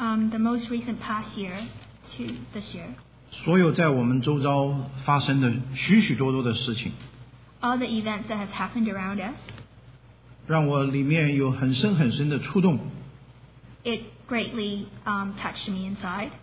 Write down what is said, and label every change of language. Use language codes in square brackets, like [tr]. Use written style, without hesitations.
[en] the most recent past year to this year [zh] 所有在我们周遭发生的许许多多的事情 [en] all the events that have happened around us [zh] 让我里面有很深很深的触动 [en] it greatly touched me inside